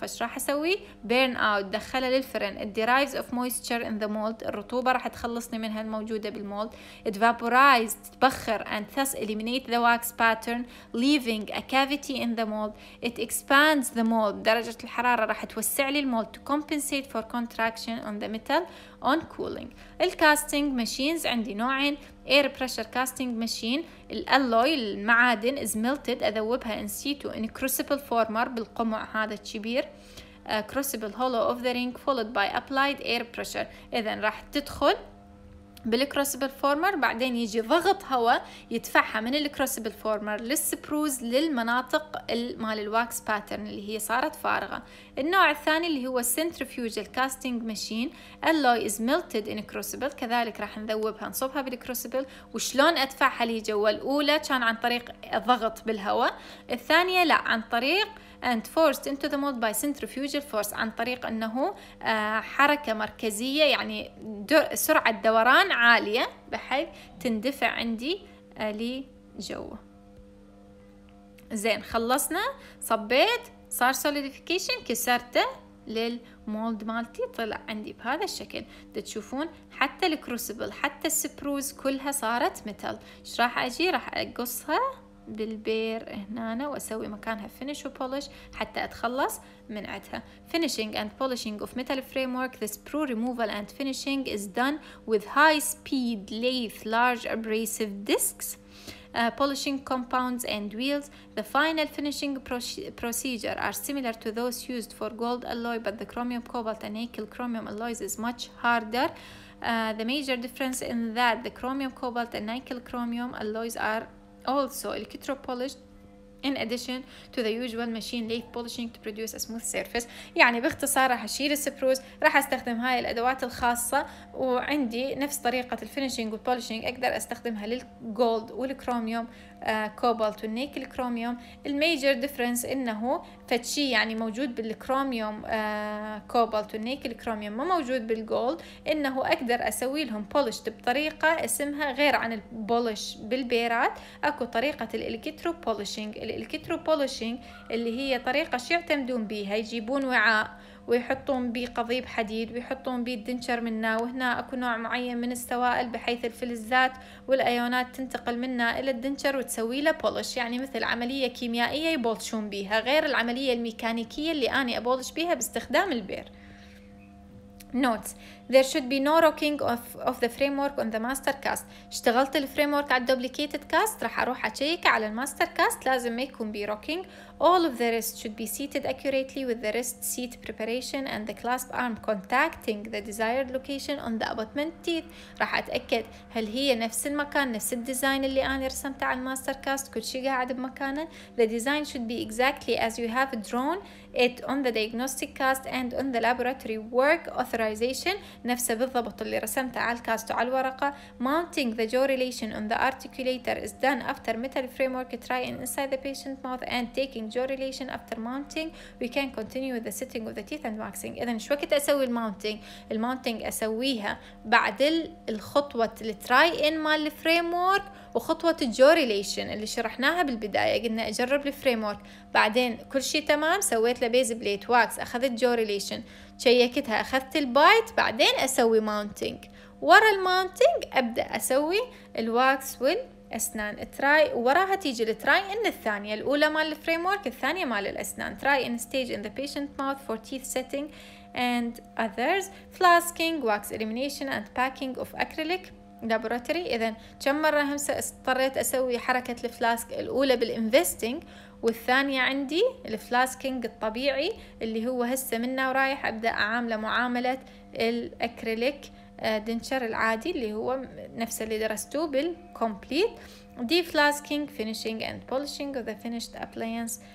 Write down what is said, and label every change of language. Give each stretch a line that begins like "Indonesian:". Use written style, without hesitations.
Arabic: فايش راح اسوي؟
English: burn out,
Arabic: دخلها للفرن.
English: الدرايفز of moisture in the mould,
Arabic: الرطوبه راح تخلصني منها الموجوده بالمولد.
English: Evaporize, تبخر. And this eliminate the wax pattern leaving a cavity in the mould. It expands the mould,
Arabic: درجه الحراره راح توسع لي المولد.
English: To compensate for contraction on the metal on cooling. الكاستنج machines
Arabic: عندي نوعين,
English: air pressure casting machine
Arabic: الالوي المعادن
English: is melted,
Arabic: اذوبها
English: in situ in crucible former
Arabic: بالقمع هذا الكبير,
English: crucible hollow of the ring followed by applied air pressure.
Arabic: اذا راح تدخل بالكروسبل فورمر, بعدين يجي ضغط هواء يدفعها من الكروسبل فورمر للسبروز للمناطق مال الواكس باترن اللي هي صارت فارغة. النوع الثاني اللي هو
English: centrifugal casting machine, alloy is melted in crucible,
Arabic: كذلك راح نذوبها نصبها بالكروسبل. وشلون ادفعها لي جوا؟ الاولى كان عن طريق ضغط بالهواء, الثانية لا, عن طريق
English: and forced into the mold by centrifugal force,
Arabic: عن طريق انه حركة مركزية, يعني سرعة دوران عالية بحيث تندفع عندي لي جوه. زين, خلصنا, صبيت, صار solidification, كسرته للمولد مالتي, طلع عندي بهذا الشكل. تشوفون حتى الكروسبل حتى السبروز كلها صارت ميتال. ايش راح اجي؟ راح اقصها بالبير هنا واسوي مكانها فينيش وبولش حتى اتخلص من عدها.
English: Finishing and polishing of metal framework, this sprue removal and finishing is done with high speed lathe, large abrasive discs, polishing compounds and wheels. The final finishing procedure are similar to those used for gold alloy, but the chromium cobalt and nickel chromium alloys is much harder. The major difference in that the chromium cobalt and nickel chromium alloys are also electro polished In addition to the usual machine lathe polishing to produce a smooth surface.
Arabic: يعني باختصار راح أشيل السبروز، راح أستخدم هاي الأدوات الخاصة، وعندي نفس طريقة الفينيشينج والبولشينج أقدر أستخدمها للجولد والكروميوم، كوبالت والنيكل كروميوم. الميجر ديفرنس إنه فتشي يعني موجود بالكروميوم، كوبالت والنيكل كروميوم ما موجود بالجولد، إنه أقدر أسوي لهم بولش بطريقة اسمها غير عن البولش بالبيرات. أكو طريقة الإلكترو بولشينج. الإلكترو بولشينج اللي هي طريقة شو يعتمدون بيها، يجيبون وعاء ويحطون بيه قضيب حديد ويحطون بيه الدنشر منه، وهنا أكو نوع معين من السوائل بحيث الفلزات والأيونات تنتقل منه إلى الدنشر وتسوي له بولش، يعني مثل عملية كيميائية يبولشون بيها غير العملية الميكانيكية اللي أنا أبولش بيها باستخدام البير.
English: Notes: There should be no rocking of the framework on the master cast.
Arabic: اشتغلت الفريمورك على الدوبليكيتد كاست، راح أروح أشيك على الماستر كاست، لازم ما يكون بي rocking.
English: All of the wrists should be seated accurately with the wrist seat preparation and the clasp arm contacting the desired location on the abutment teeth.
Arabic: راح أتأكد هل هي نفس المكان، نفس الديزاين اللي أنا رسمته على الماستر كاست، كل شيء قاعد بمكانه.
English: The design should be exactly as you have drawn it on the diagnostic cast and on the laboratory work authorization.
Arabic: نفسه بالضبط اللي رسمته على الكاست وعلى الورقة.
English: Mounting the jaw relation on the articulator is done after metal framework try in inside the patient mouth and taking jaw relation after mounting. We can continue with the setting of the teeth and waxing.
Arabic: إذن شو وقت أسوي الماونتينج؟ الماونتينج أسويها بعد الخطوة التراي إن مال الفريمورك وخطوة الجو ريليشن اللي شرحناها بالبداية. قلنا أجرب الفريمورك، بعدين كل شيء تمام، سويت لبيز بليت واكس، أخذت جو ريليشن، شيكتها، أخذت البايت، بعدين أسوي ماونتينج. ورا الماونتينج أبدأ أسوي الواكس والأسنان. تراي وراها تيجي التراي إن الثانية، الأولى مال الفريمورك، الثانية مال الأسنان.
English: Try in stage in the patient mouth for teeth setting and others. Flasking, wax elimination and packing of acrylic. Laboratory.
Arabic: إذن كم مرة همسة اضطريت أسوي حركة الفلاسك؟ الأولى بالإنفستينج، والثانية عندي الفلاسكينج الطبيعي اللي هو هسه منه ورايح أبدأ أعامله معاملة الأكريليك دنشر العادي اللي هو نفسه اللي درستوه بالكمبليت.
English: The flasking, finishing and polishing of the finished appliance.